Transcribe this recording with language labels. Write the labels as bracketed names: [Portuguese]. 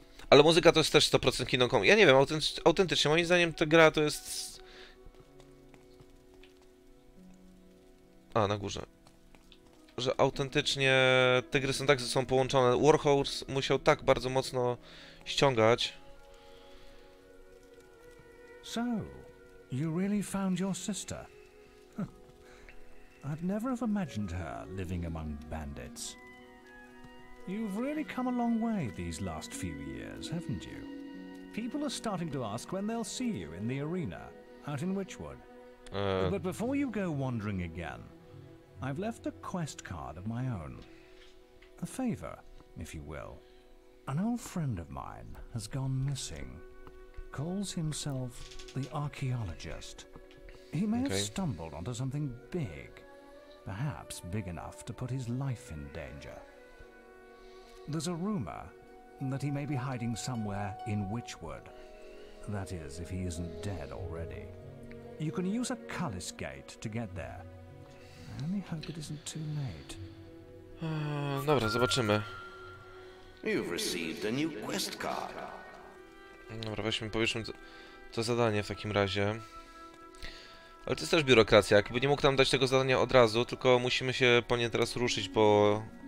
[Polish] Ale muzyka to jest też 100% Kingdom Come. Ja nie wiem, autentycznie, moim zdaniem ta gra to jest... A, na górze. Że autentycznie te gry są tak ze sobą połączone. Warhorse musiał tak bardzo mocno ściągać. [English] So. You really found your sister. I'd never have imagined her living among bandits. You've really come a long way these last few years, haven't you? People are starting to ask when they'll see you in the arena, out in Witchwood. But before you go wandering again, I've left a quest card of my own. A favor, if you will. An old friend of mine has gone missing. Calls himself the archaeologist. He may have stumbled onto something big, perhaps big enough to put his life in danger. There's a rumor that he may be hiding somewhere in Witchwood. That is, if he isn't dead already. You can use a Cullis gate to get there. I only hope it isn't too late. [Polish] Dobra, zobaczymy. [English] You've received a new quest card. [Polish] Dobra, weźmy, powiedzmy to zadanie w takim razie. Ale to jest też biurokracja. Jakby nie mógł nam dać tego zadania od razu, tylko musimy się po nie teraz ruszyć, bo...